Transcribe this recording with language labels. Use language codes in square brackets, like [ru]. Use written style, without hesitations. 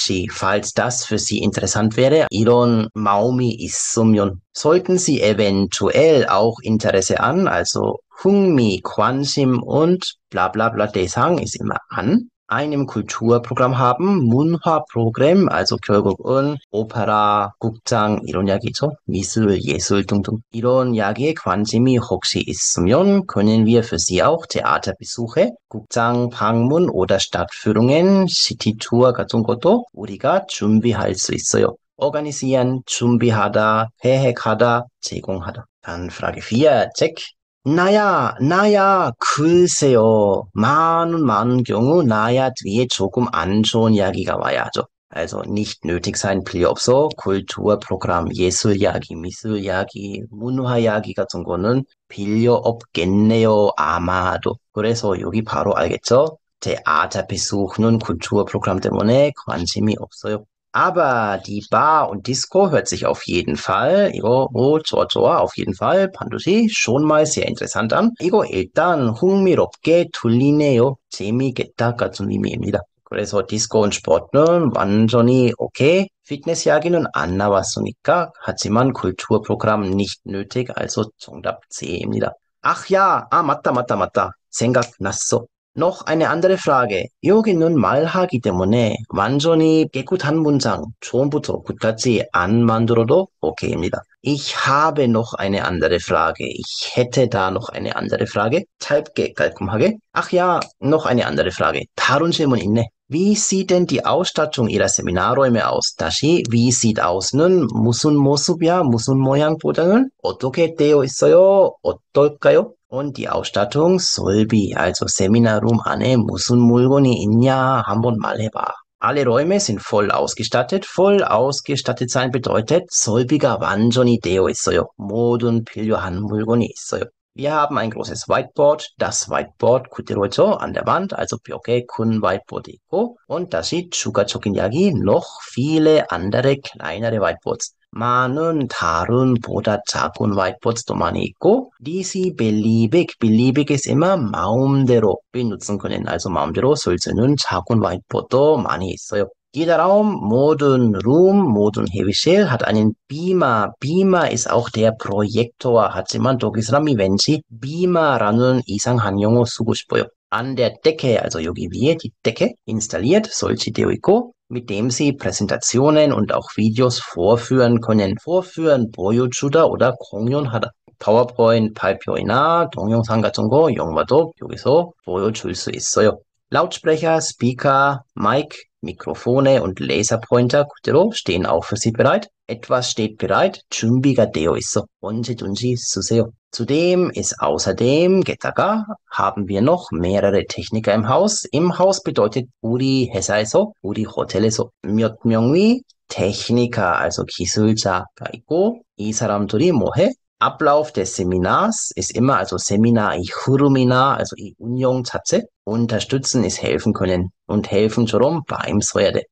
[de] Falls das für Sie interessant wäre, [ko] 이런 마음이 있으면, [de] sollten Sie eventuell auch Interesse an, also 흥미, 관심 und bla bla bla 대상 ist immer an, einem Kulturprogramm haben, Munhwa-Programm, also [ko] 결국은 오페라, 극장, 이런 이야기죠. 미술, 예술 등등. 이런 이야기에 관심이 혹시 있으면, [de] können wir für Sie auch Theaterbesuche, [ko] 극장 방문 [de] oder Stadtführungen, [ko] City-Tour 같은 것도 우리가 준비할 수 있어요. [de] Organisieren, [ko] 준비하다, 계획하다, 제공하다. [de] Dann Frage 4, check. [ko] 나야, 글쎄요. 많은 경우 나야 뒤에 조금 안 좋은 이야기가 와야죠. [de] Also nicht nötig sein, [ko] 필요 없어. культურ프로그램, 예술 이야기, 미술 이야기, 문화 이야기 같은 거는 필요 없겠네요. 아마도. 그래서 여기 바로 알겠죠? 제 아자피스는 культურ프로그램 때문에 관심이 없어요. [de] Aber die Bar und Disco hört sich auf jeden Fall, [ko] 이거, 오, 좋아, 좋아, [de] auf jeden Fall, [ko] 반드시, [de] schon mal sehr interessant an. [ko] 이거 일단 흥미롭게 들리네요. 재미있겠다 같은 의미입니다. 그래서 디스코 und 스포츠는 완전히 오케이. 피트니스 이야기는 안 나왔으니까. [de] 하지만 Kulturprogramm nicht nötig, also [ko] 정답 C입니다. [de] Ach ja, [ko] 아, 맞다. 생각났어. [de] Noch eine andere Frage. [ko] 여기는 말하기 때문에 완전히 깨끗한 문장 처음부터 끝까지 안 만들어도 오케이입니다. [de] Ich habe noch eine andere Frage. Ich hätte da noch eine andere Frage. [ko] 짧게 깔끔하게. [de] Ach ja, noch eine andere Frage. [ko] 다른 질문 있네. [de] Wie sieht denn die Ausstattung Ihrer Seminarräume aus? 다시, wie sieht außen? [ko] 무슨 모습이야? 무슨 모양보다는? 어떻게 되어 있어요? 어떨까요? [de] Und die Ausstattung Solbi, also Seminarraum [ko] 안에 무슨 물건이 있냐? 한번 말해봐. [de] Alle Räume sind voll ausgestattet. Voll ausgestattet sein bedeutet, [ko] Solbi가 완전히 되어 있어요. 모든 필요한 물건이 있어요. [de] Wir haben ein großes Whiteboard. Das Whiteboard 그대로죠, an der Wand, also [ko] 벽에 큰 Whiteboard 있고. [de] Und [ko] 다시 추가적인 이야기, [de] noch viele andere kleinere Whiteboards. [ko] 많은 다른 보다 작은 화이트보드도 많이 있고, [de] DC beliebig, beliebig ist immer [ko] 마음대로 [de] benutzen können. [ko] Also 마음대로 쓸수 있는 작은 화이트보드도 많이 있어요. [de] Jeder Raum, 모든 Room, 모든 회의실 hat einen Beamer. Beamer ist auch der Projektor. [ko] 하지만 독일 사람이 왠지 Beamer라는 이상한 용어 쓰고 싶어요. [de] An der Decke, also [ko] 여기 위에 [de] die Decke, installiert, [ko] 설치되어 있고, [de] mit dem Sie Präsentationen und auch Videos vorführen können. Vorführen, [ko] 보여주다 [de] oder [ko] 공연하다. PowerPoint, 발표이나 동영상 같은 거, 영화도 여기서 보여줄 수 있어요. [de] Lautsprecher, Speaker, Mic, Mikrofone und Laserpointer 그대로 stehen auch für Sie bereit. Etwas steht bereit, [ko] 준비가 되어 있어. 언제든지 쓰세요. [de] Zudem ist außerdem, [ko] 게다가, [de] haben wir noch mehrere Techniker im Haus. Im Haus bedeutet [ko] 우리 회사에서, 우리 호텔에서 몇 명이 Techniker, also 기술자가 있고, 이 사람들이 뭐 해? [de] Ablauf des Seminars ist immer, also Seminar, [ko] 이 흐름이나, [de] also [ko] 이 운영 자체, [de] unterstützen ist helfen können. Und helfen처럼 beim 써야 돼.